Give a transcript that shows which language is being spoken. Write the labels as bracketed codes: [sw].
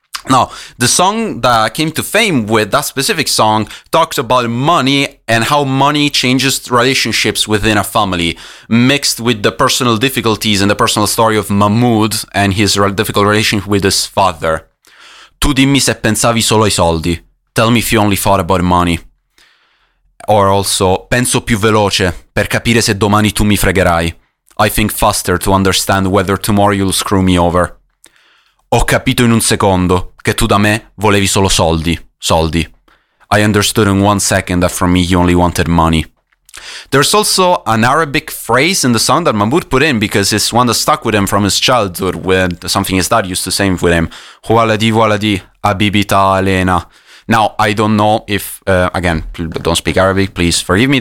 [en] Now, the song that came to fame with that specific song talks about money and how money changes relationships within a family, mixed with the personal difficulties and the personal story of Mahmood and his difficult relationship with his father. [it] Tu dimmi se pensavi solo ai soldi. [en] Tell me if you only thought about money. Or also, [it] penso più veloce per capire se domani tu mi fregherai. [en] I think faster to understand whether tomorrow you'll screw me over. [it] Ho capito in un secondo che tu da me volevi solo soldi, soldi. [en] I understood in 1 second that from me you only wanted money. There's also an Arabic phrase in the song that Mahmood put in because it's one that stuck with him from his childhood when something his dad used to say with him. Hualadi, hualadi, abibita alena. Now, I don't know if, again, don't speak Arabic, please forgive me.